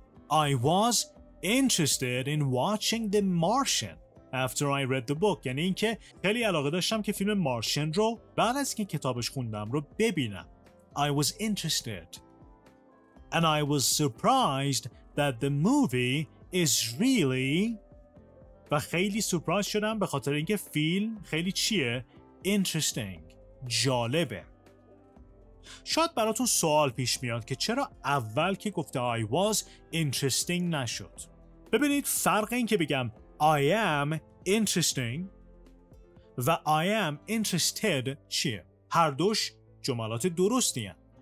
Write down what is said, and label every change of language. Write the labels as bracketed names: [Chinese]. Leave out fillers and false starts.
[English] I was interested in watching the Martian after I read the book. [Persian] یعنی اینکه خیلی علاقه داشتم که فیلم مارشن رو بعد از اینکه کتابش خوندم رو ببینم. [English] I was interested. And I was surprised that the movie is really, [Persian] و خیلی سورپرایز شدم به خاطر اینکه فیلم خیلی چیه؟ Interesting. جالبه. شاید براتون سوال پیش میاد که چرا اول که گفته [English] I was interesting [Persian] نشد. ببینید فرق این که بگم [English] I am interesting [Persian] و [English] I am interested [Persian] چیه؟ هر دوش جملات درستی هست.